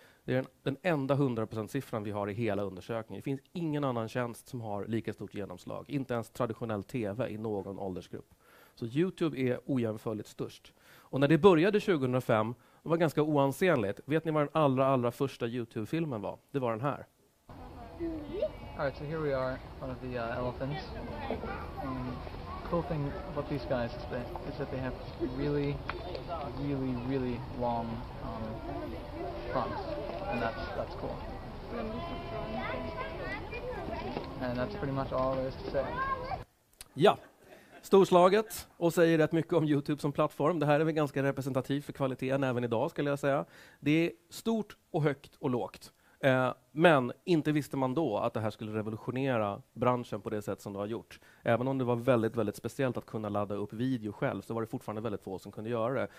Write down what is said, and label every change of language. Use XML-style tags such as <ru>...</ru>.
<sv>Det är den enda 100%-siffran vi har i hela undersökningen. Det finns ingen annan tjänst som har lika stort genomslag. Inte ens traditionell TV i någon åldersgrupp. Så YouTube är ojämförligt störst. Och när det började 2005, det var ganska oansenligt. Vet ni vad den allra, allra första YouTube-filmen var? Det var den här.</sv> <en>All right, so here we are, one of the elephants. Cool thing about these guys is that they have really, really, really long fronts, and that's cool. And that's pretty much all there is to say.</en> <sv>Ja, storslaget och säger rätt mycket om YouTube som plattform. Det här är väl ganska representativt för kvaliteten även idag, skulle jag säga. Det är stort och högt och lågt. Men inte visste man då att det här skulle revolutionera branschen på det sätt som det har gjort. Även om det var väldigt, väldigt speciellt att kunna ladda upp video själv så var det fortfarande väldigt få som kunde göra det.</sv>